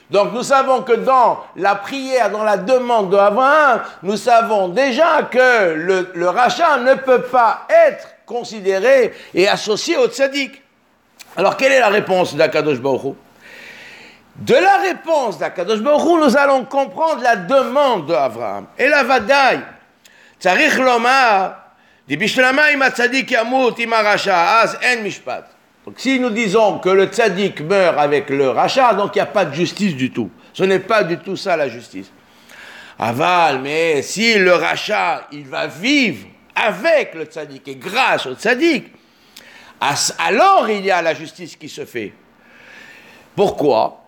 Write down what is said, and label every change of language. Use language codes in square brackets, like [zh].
[fr] Donc nous savons que dans la prière, dans la demande de Avraham, nous savons déjà que le rasha ne peut pas être considéré et associé au tzadik. Alors quelle est la réponse d'Akadosh Baruch Hu? De la réponse d'Akadosh Baruch Hu, nous allons comprendre la demande d'Avraham. Et la vadaï. [he] צריך לומר, דבישלמה אם הצדיק ימות עם הרשע, אז אין משפט. [fr] Donc si nous disons que le tzadik meurt avec le rachat, donc il n'y a pas de justice du tout. Ce n'est pas du tout ça la justice. Aval, mais si le rachat, il va vivre avec le tzadik et grâce au tzadik, alors il y a la justice qui se fait. Pourquoi?